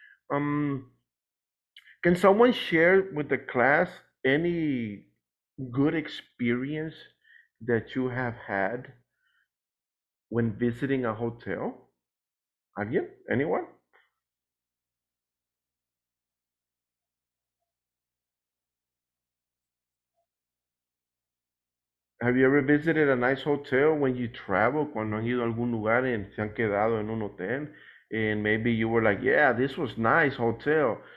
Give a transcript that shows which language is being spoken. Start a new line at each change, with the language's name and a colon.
English: Can someone share with the class any good experience that you have had when visiting a hotel? Alguien? Anyone? Have you ever visited a nice hotel when you travel?
Spanish: Cuando han ido a algún lugar y se han quedado en un hotel.
English: And maybe you were like, yeah, this was nice hotel.